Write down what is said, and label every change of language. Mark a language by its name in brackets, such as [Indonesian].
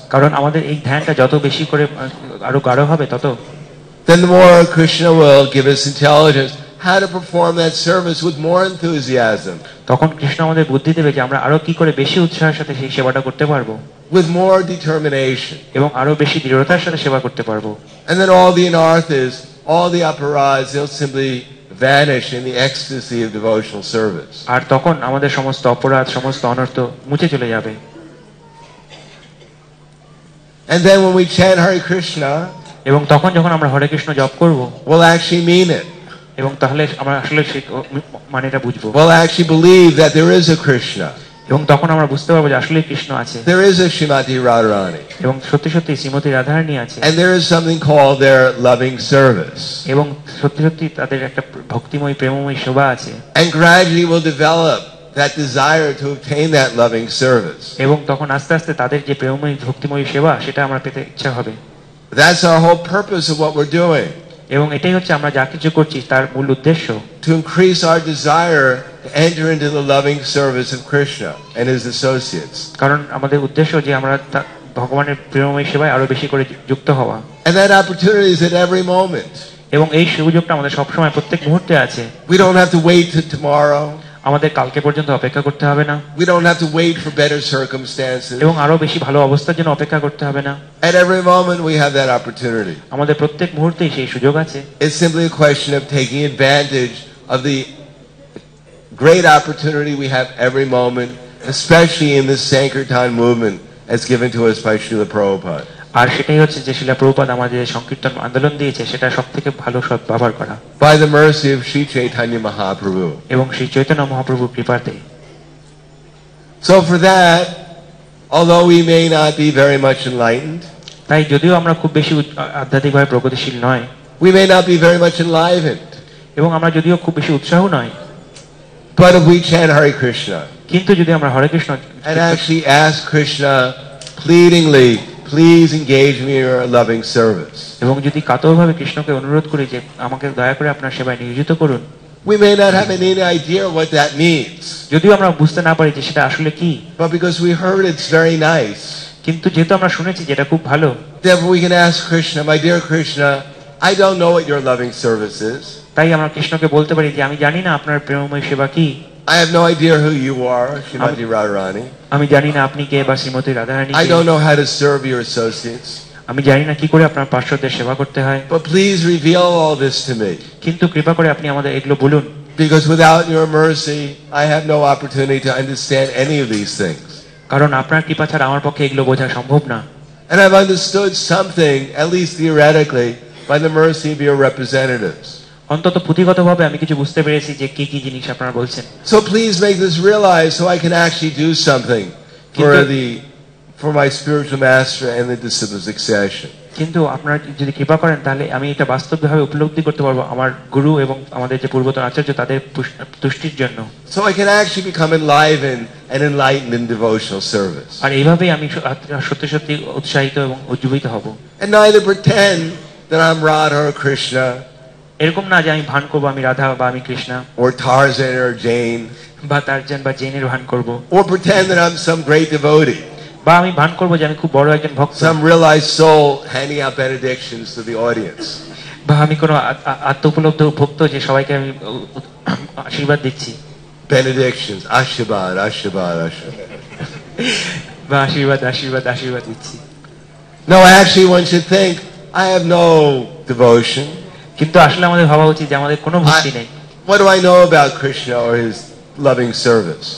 [Bangla] কারণ আমাদের এই ধ্যানটা যত বেশি করে আরো গাঢ় হবে তত, [English] then the more Krishna will give us intelligence how to perform that service with more enthusiasm. [Bangla] তখন কৃষ্ণ আমাদের বুদ্ধি দেবে যে আমরা আরো কি করে বেশি উৎসাহের সাথে সেই সেবাটা করতে পারবো. [English] With more determination. [Bangla] এবং আরো বেশি দৃঢ়তার সাথে সেবা করতে পারবো. [English] And then all the inarthas, all the aparadhas, they'll simply vanish in the ecstasy of devotional service. [Bangla] আর তখন আমাদের সমস্ত অপরাধ, সমস্ত অনর্থ মুছে চলে যাবে. [English] And then when we chant Hare Krishna, [Bangla] এবং তখন যখন আমরা হরে কৃষ্ণ জপ করব, [English] we'll actually mean it. [Bangla] এবং তাহলে আমরা আসলে সেই মানেটা বুঝব. [English] We'll actually believe that there is a Krishna. [Bangla] এবং তখন আমরা বুঝতে পারবো যে আসলে কৃষ্ণ আছে. [English] There is a Srimati Radharani. [Bangla] এবং সত্যি সত্যি শ্রীমতি রাধারানী আছে. [English] And there is something called their loving service. [Bangla] এবং সত্যি সত্যি তাদের একটা ভক্তিময় প্রেমময় সেবা আছে. [English] And gradually we'll develop that desire to obtain that loving service. [Bangla] এবং তখন আস্তে আস্তে তাদের যে প্রেমময় ভক্তিময় সেবা সেটা আমরা পেতে ইচ্ছা হবে. [English] That's our whole purpose of what we're doing. [Bangla] এবং এটাই হচ্ছে আমরা যা কিছু করছি তার মূল উদ্দেশ্য. [English] To increase our desire to enter into the loving service of Krishna and his associates. [Bangla] কারণ আমাদের উদ্দেশ্য যে আমরা ভগবানের প্রেমময় সেবায় আরো বেশি করে যুক্ত হওয়া. [English] And that opportunity is at every moment. [Bangla] এবং এই সুযোগটা আমাদের সব সময় প্রত্যেক মুহূর্তে আছে. [English] We don't have to wait till tomorrow. [Bangla] আমাদের কালকে পর্যন্ত অপেক্ষা করতে হবে না. [English] We don't have to wait for better circumstances. [Bangla] এবং আরো বেশি ভালো অবস্থার জন্য অপেক্ষা করতে হবে না. [English] At every moment we have that opportunity. [Bangla] আমাদের প্রত্যেক মুহূর্তে সেই সুযোগ আছে. [English] It's simply a question of taking advantage of the great opportunity we have every moment, especially in this Sankirtan movement as given to us by Srila Prabhupada. [Bangla] আর সেটাই হচ্ছে যে শিলা প্রভুপাদ আমাদের সংকীর্তন আন্দোলন দিয়েছে সেটা সব থেকে ভালো সদ্ব্যবহার করা. [English] By the mercy of Sri Chaitanya Mahaprabhu. [Bangla] এবং শ্রী চৈতন্য মহাপ্রভুর কৃপাতে. [English] So for that, although we may not be very much enlightened, [Bangla] তাই যদিও আমরা খুব বেশি আধ্যাত্মিকভাবে প্রগতিশীল নয়, [English] we may not be very much enlivened, [Bangla] এবং আমরা যদিও খুব বেশি উৎসাহ নয়, [English] but if we chant Hare Krishna, [Bangla] কিন্তু যদি আমরা হরে Krishna, [English] and actually ask Krishna pleadingly, please engage me in your loving service, [Bangla] এবং যদি কাতরভাবে কৃষ্ণকে অনুরোধ করি যে আমাকে দয়া করে আপনার সেবায় নিয়োজিত করুন, [English] we may not have any idea what that means. [Bangla] যদিও আমরা বুঝতে না পারি যে সেটা আসলে কি, [English] but because we heard it's very nice, [Bangla] কিন্তু যেহেতু আমরা শুনেছি যে এটা খুব ভালো, [English] therefore we can ask Krishna, my dear Krishna, I don't know what your loving service is. [Bangla] তাই আমরা কৃষ্ণকে বলতে পারি যে আমি জানি না আপনার প্রেমময় সেবা কি. [English] I have no idea who you are, Srimati Radharani. [Bangla] আমি জানি না আপনি কে বা Shrimati Radharani. [English] I don't know how to serve your associates. [Bangla] আমি জানি না কি করে আপনার পার্শ্বদের সেবা করতে হয়. [English] But please reveal all this to me. [Bangla] কিন্তু কৃপা করে আপনি আমাদের এগুলো বলুন. [English] Because without your mercy, I have no opportunity to understand any of these things. [Bangla] কারণ আপনার কৃপা ছাড়া আমার পক্ষে এগুলো বোঝা সম্ভব না. [English] And I've understood something, at least theoretically, by the mercy of your representatives. [Bangla] অন্তত পুঁথিগতভাবে আমি কিছু বুঝতে পেরেছি যে কি কি জিনিস আপনারা বলছেন [English] So please make this realize so I can actually do something for the for my spiritual master and the disciples succession [Bangla] কিন্তু আপনারা যদি কৃপা করেন তাহলে আমি এটা বাস্তবিকভাবে উপলব্ধি করতে পারবো আমার গুরু এবং আমাদের যে পূর্বতন আচার্য তাদের তুষ্টির জন্য [English] So I can actually become enlivened and enlightened in devotional service [Bangla] আর এইভাবে আমি সত্যি সত্যি উৎসাহিত এবং উজ্জীবিত হব [English] And neither pretend that I'm Radha or Krishna [Bangla] এরকম না যে আমি ভান করব আমি রাধা বা আমি Krishna [English] or Tarzan or Jane [Bangla] বা Tarzan বা Jane এর ভান করব [English] or pretend that I'm some great devotee [Bangla] বা আমি ভান করব যে আমি খুব বড় একজন ভক্ত [English] some realized soul handing out benedictions to the audience [Bangla] বা আমি কোন আত্মপলব্ধ ভক্ত যে সবাইকে আমি আশীর্বাদ দিচ্ছি benedictions আশীর্বাদ আশীর্বাদ বা আশীর্বাদ আশীর্বাদ আশীর্বাদ দিচ্ছি [English] no actually one should think I have no devotion [Bangla] কিন্তু আসলে আমাদের ভাবা উচিত যে আমাদের কোনো ভক্তি নেই [English] what do I know about krishna or his loving service